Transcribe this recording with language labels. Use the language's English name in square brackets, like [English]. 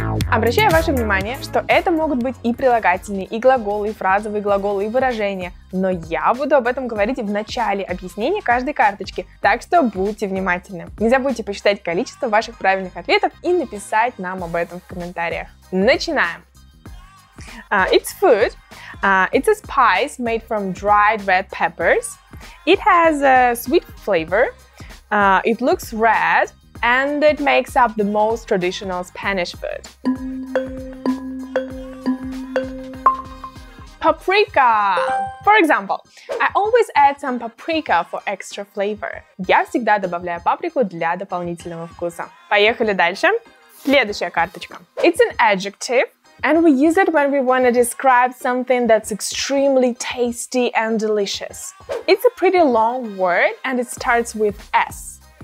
[Russian] Обращаю ваше внимание, что это могут быть и прилагательные, и глаголы, и фразовые глаголы, и выражения. Но я буду об этом говорить в начале объяснения каждой карточки, так что будьте внимательны. Не забудьте посчитать количество ваших правильных ответов и написать нам об этом в комментариях. Начинаем! [English] It's food. It's a spice made from dried red peppers. It has a sweet flavor. It looks red. And it makes up the most traditional Spanish food. Paprika. For example, I always add some paprika for extra flavor. [Russian] Я всегда добавляю паприку для дополнительного вкуса. Поехали дальше. Следующая карточка. [English] It's an adjective, and we use it when we want to describe something that's extremely tasty and delicious. It's a pretty long word, and it starts with S.